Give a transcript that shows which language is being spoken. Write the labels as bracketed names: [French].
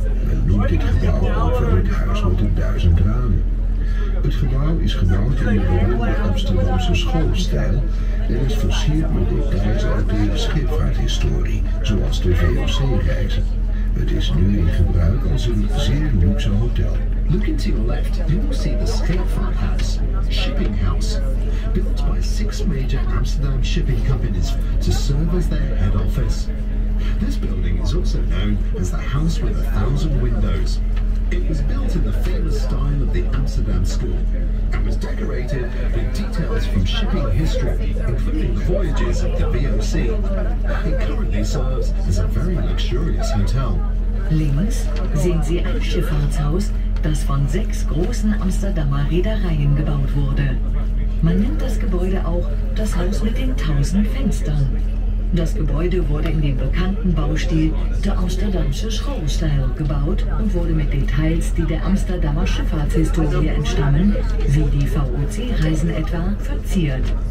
[Dutch] Men noemt dit gebouw over het huis met de 1000 ramen. Het gebouw is gebouwd in de beroemde Amsterdamse schoolstijl en is versierd met details uit de scheepvaarthistorie, zoals de VOC-reizen. Het is nu in gebruik als een zeer luxe hotel. [English] Look into your left, you will see the scheepvaarthuis, shipping house. Built by six major Amsterdam shipping companies to serve as their head office. This building is also known as the House with a Thousand Windows. It was built in the famous style of the Amsterdam School and was decorated with details from shipping history, including the voyages of the VOC. It currently serves as a very luxurious hotel. [German] Links sehen Sie ein Schifffahrtshaus, das von sechs großen Amsterdamer Reedereien gebaut wurde. Man nennt das Gebäude auch das Haus mit den 1000 Fenstern. Das Gebäude wurde in dem bekannten Baustil der Amsterdamsche Schouwstijl gebaut und wurde mit Details, die der Amsterdamer Schifffahrtshistorie entstammen, wie die VOC-Reisen etwa, verziert.